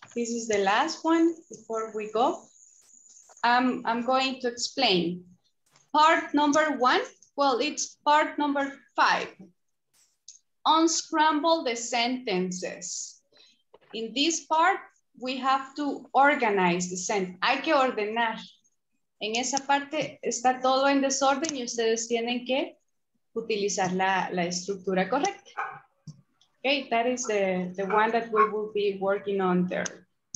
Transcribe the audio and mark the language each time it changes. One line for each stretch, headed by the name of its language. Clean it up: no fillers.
English: This is the last one before we go. I'm going to explain. Part number one, well, it's part number five. Unscramble the sentences. In this part, we have to organize the sentence.
Spanish: Hay que ordenar. En esa parte está todo en desorden y ustedes tienen que utilizar la estructura correcta.
English: Okay, that is the one that we will be working on there.